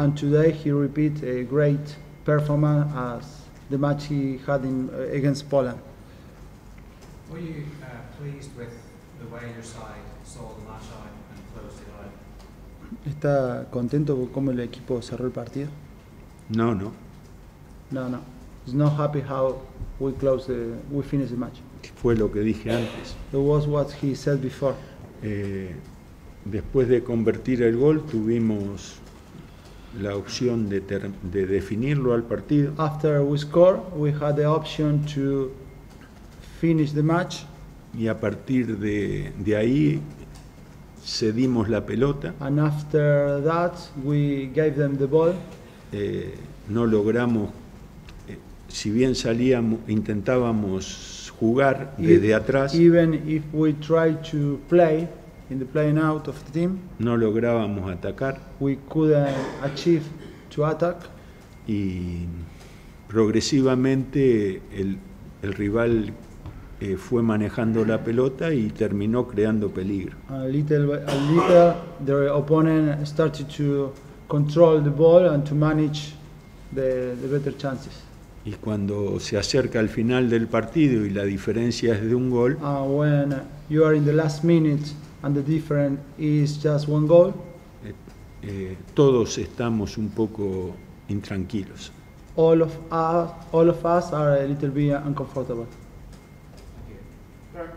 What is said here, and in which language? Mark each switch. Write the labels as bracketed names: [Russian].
[English] And today he repeat a great performance as the match he had against Poland. Were you pleased with the way your side saw the match out and closed it out? [Spanish] ¿Está contento con cómo el equipo cerró el partido? No. [English] He's not happy how we finished the match. [Spanish] Fue lo que dije antes. [English] It was what he said before. [Spanish] Después de convertir el gol, tuvimos la opción de definirlo al partido. [English] After we score, we had the option to finish the match. [Spanish] Y a partir de ahí, cedimos la pelota. [English] And after that, we gave them the ball. [Spanish] No logramos, si bien salíamos, intentábamos jugar desde atrás. [English] Even if we tried to play, in the playing out of the team, [Spanish] no lográbamos atacar. [English] We couldn't achieve to attack. [Spanish] Y progresivamente el rival fue manejando la pelota y terminó creando peligro. [English] A little, their opponent started to control the ball and to manage the better chances. [Spanish] Y cuando se acerca al final del partido y la diferencia es de un gol, [English] when you are in the last minute and the difference is just one goal, [Spanish] todos estamos un poco intranquilos. [English] All of us are a little bit uncomfortable. Thank you.